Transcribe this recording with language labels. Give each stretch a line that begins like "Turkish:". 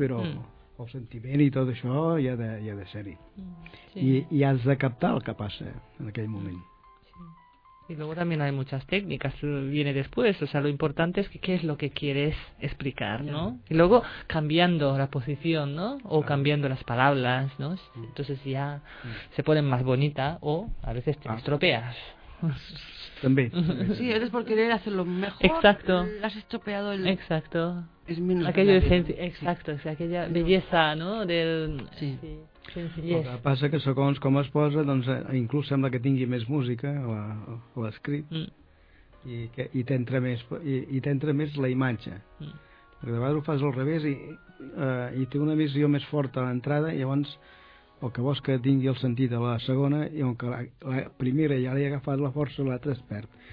Catalan: Però el sentiment i tot això ja de ser-hi. Sí. I has de captar el que passa en aquell moment.
Spanish: Y luego también hay muchas técnicas, viene después, o sea, lo importante es que qué es lo que quieres explicar, ¿no? Y luego cambiando la posición, ¿no? O cambiando las palabras, ¿no? Entonces ya se ponen más bonita o a veces te estropeas. También. Sí, eres por querer hacerlo mejor. Exacto. Has estropeado el... Exacto. Es menos aquello de exacto, sí. O sea, aquella belleza, ¿no? Del... Sí.
Catalan: El que passa que segons com es posa, doncs inclús sembla que tingui més música o l'escrit i t'entra més la imatge. Perquè de vegades ho fas al revés i té una visió més forta a l'entrada i llavors el que vols que tingui el sentit a la segona i on que la primera ja li ha agafat la força, l'altra es perd.